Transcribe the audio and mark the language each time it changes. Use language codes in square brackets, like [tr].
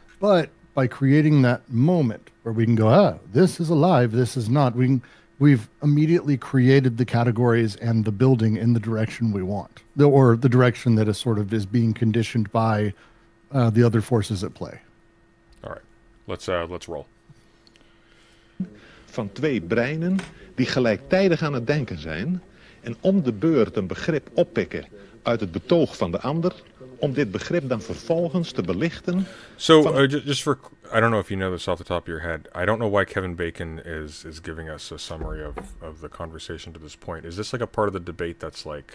[en] But by creating that moment where we can go, this is alive, this is not, we've immediately created the categories and the building in the direction we want, or the direction that is being conditioned by the other forces at play. All right, let's roll. [nl] Van twee breinen die gelijktijdig aan het denken zijn en om de beurt een begrip oppikken uit het betoog van de ander om dit begrip dan vervolgens te belichten. [en] So just for, I don't know if you know this off the top of your head, I don't know why Kevin Bacon is giving us a summary of the conversation to this point. Is this like a part of the debate that's like,